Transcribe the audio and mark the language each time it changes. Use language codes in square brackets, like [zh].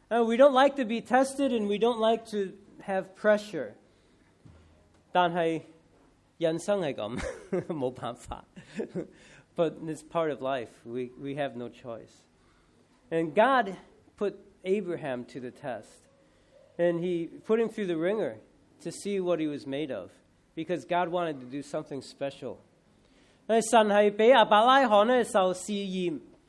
[en] We don't like to be tested and we don't like to have pressure. [zh] 但是人生是這樣,沒辦法. [en] But it's part of life. We have no choice. And God put Abraham to the test. And he put him through the ringer to see what he was made of. Because God wanted to do something special. [zh] 神是被亞伯拉罕受試驗。